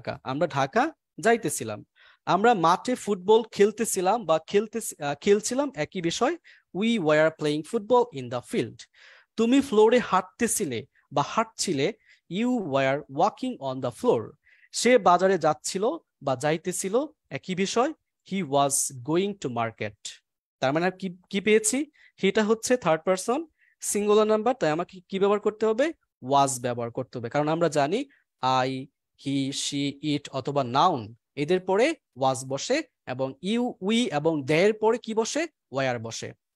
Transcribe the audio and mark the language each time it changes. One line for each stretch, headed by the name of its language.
Bangla: আমরা ঢাকা যাইতেছিলাম, আমরা মাঠে ফুটবল খেলতেছিলাম বা খেলছিলাম একই বিষয়,
English: We were playing football in the field.
Bangla: তুমি ফ্লোরে হাঁটতেছিলে বা হাঁটছিলে,
English: you were walking on the floor.
Bangla: সে বাজারে যাচ্ছিল বা যাইতেছিল একই বিষয়,
English: he was going to market.
Bangla: তার মানে কি পেয়েছি, এটা হচ্ছে থার্ড পারসন সিঙ্গুলার নাম্বার, তাই আমাকে কি ব্যবহার করতে হবে, was ব্যবহার করতে হবে, কারণ আমরা জানি I, he, she, it অথবা noun এদের পরে was বসে এবং you, we এবং their পরে কি বসে, were বসে।